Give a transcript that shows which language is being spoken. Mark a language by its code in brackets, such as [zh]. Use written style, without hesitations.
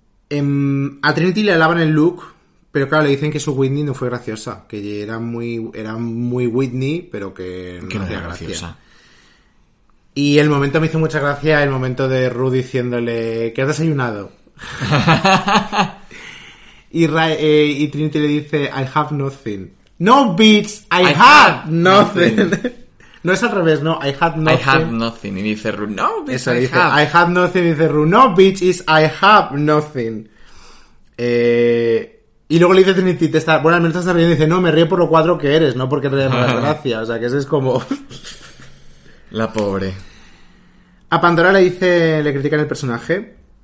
[es] A Trinity le alaban el look, pero claro, le dicen que su Whitney no fue graciosa. Que era muy Whitney, pero que no, que no era graciosa. Y el momento me hizo mucha gracia, el momento de Ru diciéndole que has desayunado. Y Trinity le dice, [en] I have nothing. No, bitch, I have nothing. [es] No es al revés, no, [en] I have nothing. I have nothing. [es] Y dice Ru, no, [en] bitch, [es] eso, [en] I have. I have nothing, [es] y dice Ru, no, [en] bitch, is I have nothing. [es] Y luego le dice Trinity, al menos estás riendo, y dice, no, me río por lo cuatro que eres, no porque te dé más gracia. O sea, que ese es como... La pobre. A Pandora le critican el personaje.